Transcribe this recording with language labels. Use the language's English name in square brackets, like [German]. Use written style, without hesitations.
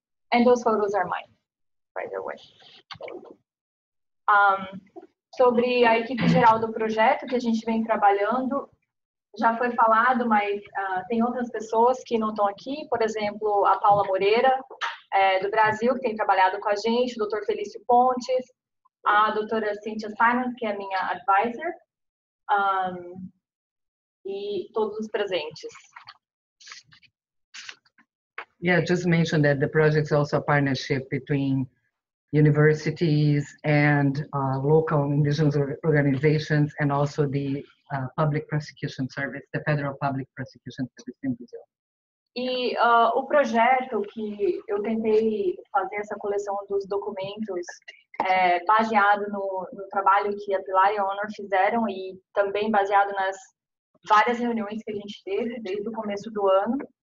[English] And those photos are mine, by the way. [Portuguese] Sobre a equipe geral do projeto que a gente vem trabalhando, já foi falado, mas tem outras pessoas que não estão aqui, por exemplo, a Paula Moreira, do Brasil, que tem trabalhado com a gente, o Dr. Felício Pontes, a doutora Cynthia Simon, que é a minha advisor, e todos os presentes. [English] Yeah, just mentioned that the project is also a partnership between universities and local indigenous organizations, and also the Public Prosecution Service, the Federal Public Prosecution Service in Brazil. [Portuguese] E o projeto que eu tentei fazer essa coleção dos documentos baseado no trabalho que a Pilar e a Honor fizeram e também baseado nas várias reuniões que a gente teve desde o começo do ano.